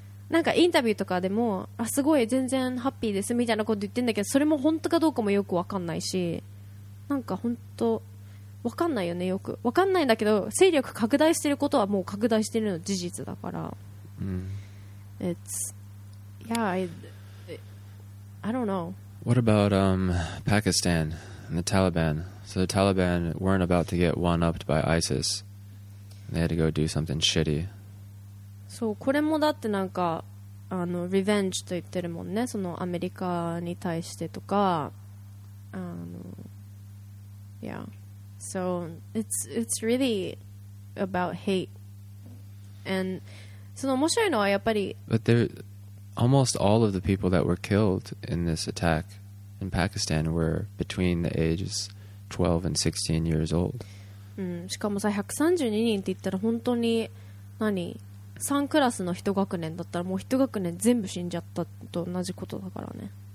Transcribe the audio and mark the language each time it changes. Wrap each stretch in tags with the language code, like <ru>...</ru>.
<ja>なんかインタビューとかでも、あすごい全然ハッピーですみたいなこと言ってんだけど、それも本当かどうかもよく分かんないし、なんか本当分かんないよね、よく分かんないんだけど、勢力拡大してることはもう拡大してるの事実だから、</ja> <en>It's yeah I don't know. What about Pakistan and the Taliban? So the Taliban weren't about to get one-upped by ISIS. They had to go do something shitty.</en> <ja>そう、これもだってなんかあのリベンジと言ってるもんね、そのアメリカに対してとか、あの</ja> <en>Yeah. So it's really about hate. And</en> <ja>その面白いのはやっぱり、</ja> <en>But there almost all of the people that were killed in this attack in Pakistan were between the ages 12 and 16 years old.</en> <ja>うん、しかもさ、132人って言ったら本当に何3クラスの1学年だったらもう1学年全部死んじゃったと同じことだからね。</ja>